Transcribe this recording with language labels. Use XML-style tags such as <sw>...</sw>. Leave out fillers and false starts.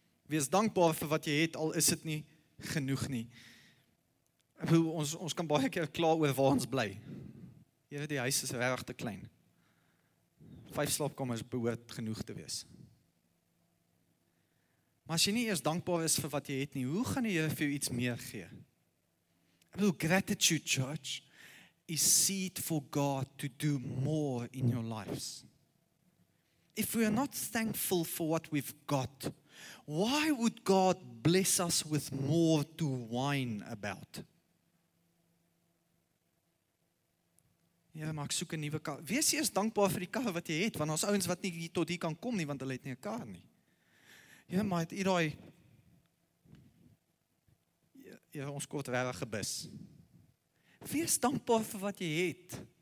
<af>Wees dankbaar vir wat jy het al is dit nie genoeg nie. Ons kan baie keer klaar oor waar ons bly. Here, die huis is regtig te klein. 5 slaapkamers behoort genoeg te wees. Maar as jy nie eers dankbaar is vir wat jy het nie, hoe gaan die Here vir jou iets meer gee?</af> <en>I will gratitude, church, is seed for God to do more in your lives. If we are not thankful for what we've got, why would God bless us with more to whine about?</en> <af>Here, maar ek soek 'n nuwe kar. Wees eers dankbaar vir die kar wat jy het, want ons ouens wat nie tot hier kan kom nie, want hulle het nie 'n kar nie. Ja, maar het idee. Ja, ons kort regtig gebis. Wees dankbaar vir wat jy het.</af>